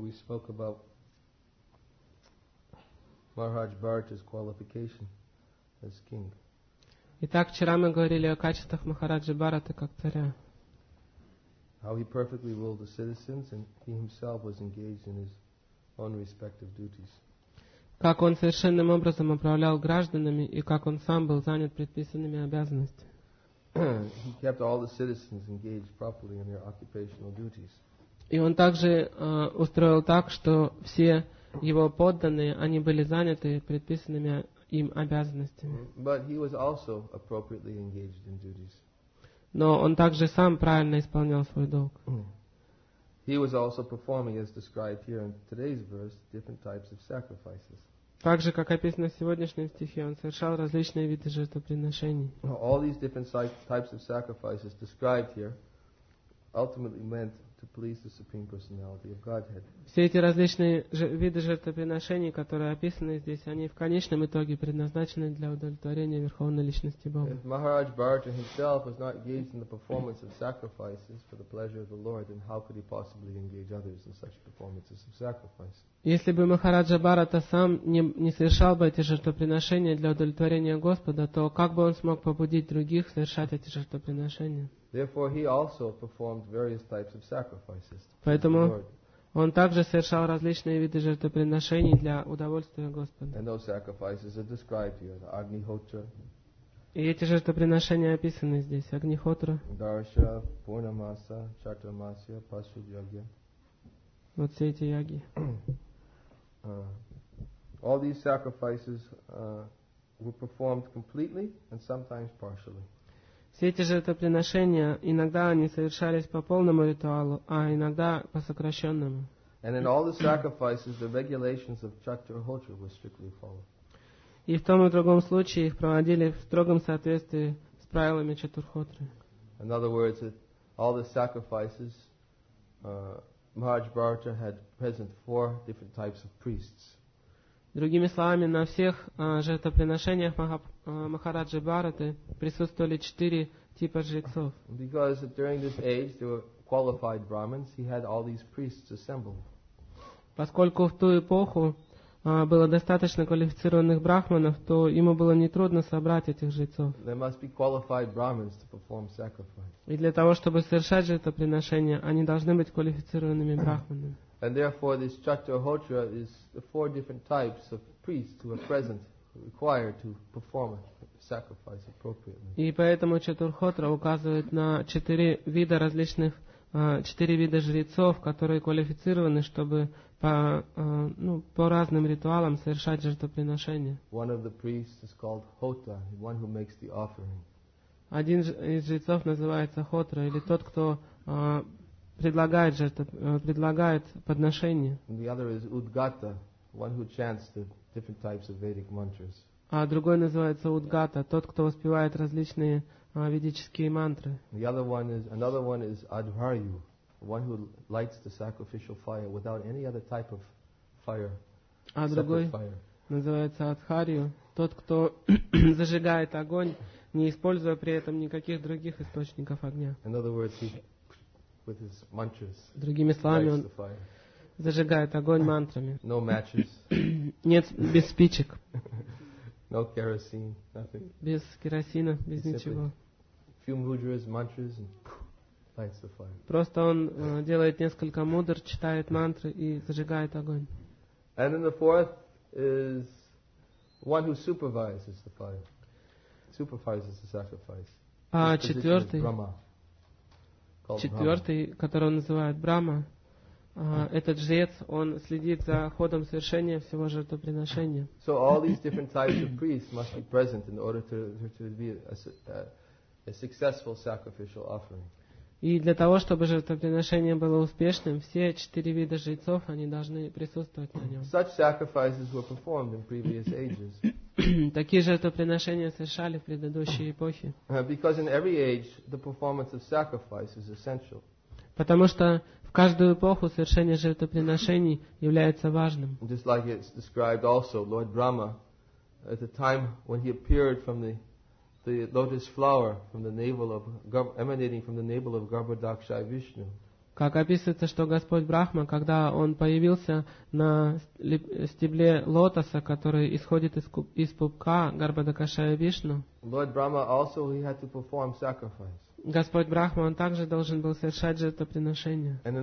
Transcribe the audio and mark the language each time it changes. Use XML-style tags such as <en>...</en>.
<en>We spoke about Maharaj Bharata's qualification as king.</en> <ru>Итак, вчера мы говорили о качествах Махараджи Бхараты как царя.</ru> <en>How he perfectly ruled the citizens and he himself was engaged in his own respective duties.</en> <ru>Как он совершенным образом управлял гражданами и как он сам был занят предписанными обязанностями.</ru> <en>He kept all the citizens engaged properly in their occupational duties.</en> <ru>И он также устроил так, что все его подданные, они были заняты предписанными им обязанностями.</ru> <en>But he was also appropriately engaged in duties.</en> <ru>Но он также сам правильно исполнял свой долг.</ru> <en>He was also performing, as described here in today's verse, different types of sacrifices.</en> <ru>Также, как описано в сегодняшнем стихе, он совершал различные виды жертвоприношений.</ru> <en>All these different types of sacrifices described here ultimately meant to please the Supreme Personality of Godhead.</en> <ru>Все эти различные виды жертвоприношений, которые описаны здесь, они в конечном итоге предназначены для удовлетворения Верховной Личности Бога.</ru> <en>If Maharaj Bharata himself was not engaged in the performance of sacrifices for the pleasure of the Lord, then how could he possibly engage others in such performances of sacrifice?</en> <ru>Если бы Махараджа Бхарата сам не совершал бы эти жертвоприношения для удовлетворения Господа, то как бы он смог побудить других совершать эти жертвоприношения?</ru> <en>Therefore, he also performed various types of sacrifices.</en> <ru>Поэтому он также совершал различные виды жертвоприношений для удовольствия Господа.</ru> <en>And those sacrifices are described here, the Agnihotra.</en> <ru>И эти жертвоприношения описаны здесь, Агнихотра. Дарша, Пурнамаса, Чатурмасия, Пасхи-йоги. Вот все эти яги.</ru> <en>All these sacrifices were performed completely and sometimes partially.</en> <ru>Все эти жертвоприношения, иногда они совершались по полному ритуалу, а иногда по сокращенному.</ru> <en>And in all the sacrifices, the regulations of Chaturhotra were strictly followed.</en> <ru>И в том и другом случае их проводили в строгом соответствии с правилами Чатурхотры.</ru> <en>In other words, all the sacrifices, Maharaj Bharata had present four different types of priests.</en> <ru>Другими словами, на всех жертвоприношениях Махараджи Бхараты присутствовали четыре типа жрецов.</ru> <en>Because during this age there were qualified Brahmins, he had all these priests assembled.</en> <ru>Поскольку в ту эпоху было достаточно квалифицированных брахманов, то ему было нетрудно собрать этих жрецов.</ru> <en>There must be qualified Brahmins to perform sacrifice.</en> <ru>И для того, чтобы совершать жертвоприношения, они должны быть квалифицированными брахманами.</ru> <en>And therefore, this Chaturhotra is the four different types of priests who are present, required to perform a sacrifice appropriately.</en> <ru>И поэтому Чатурхотра указывает на четыре вида различных, четыре вида жрецов, которые квалифицированы, чтобы по разным ритуалам совершать жертвоприношения.</ru> <en>One of the priests is called Hota, the one who makes the offering.</en> <ru>Один из жрецов называется Хотра, или тот, кто предлагает предлагает подношение.</ru> <en>The other is Udgata, one who chants the different types of Vedic mantras.</en> <ru>А другой называется Удгата, тот, кто воспевает различные ведические мантры.</ru> <en>Another one is Advaryu, one who lights the sacrificial fire without any other type of fire.</en> <ru>А другой называется Адхарью, тот, кто зажигает огонь, не используя при этом никаких других источников огня.</ru> <en>In other words, he with his mantras.</en> <ru>Другими словами, он зажигает огонь мантрами.</ru> <en>No matches.</en> <ru>Нет, без спичек.</ru> <en>No kerosene, nothing.</en> <ru>Без керосина, без</ru> <en>simply</en> <ru>ничего.</ru> <en>Few mudras, mantras, and lights the fire.</en> <ru>Просто он делает несколько мудр, читает мантры и зажигает огонь.</ru> <en>And then the fourth is one who supervises the fire. Supervises the sacrifice.</en> <ru>А четвертый, четвертый, которого называют Брама, этот жрец, он следит за ходом совершения всего жертвоприношения.</ru> <en>So all these different types of priests must be present in order to be a successful sacrificial offering.</en> <ru>И для того, чтобы жертвоприношение было успешным, все четыре вида жрецов, они должны присутствовать на нем.</ru> <en>Such sacrifices were performed in previous ages.</en> <ru>такие жертвоприношения совершали в предыдущие эпохи.</ru> <en>Because in every age the performance of sacrifice is essential.</en> <ru>Потому что в каждую эпоху совершение жертвоприношений является важным.</ru> <en>Just like it's described also, Lord Brahma, at the time when he appeared from the lotus flower from the navel of emanating from the navel of Garbhodakshaya Vishnu.</en> <ru>Как описывается, что Господь Брахма, когда Он появился на стебле лотоса, который исходит из пупка Гарбхадакшая Вишну, Господь Брахма, Он также должен был совершать жертвоприношение.</ru>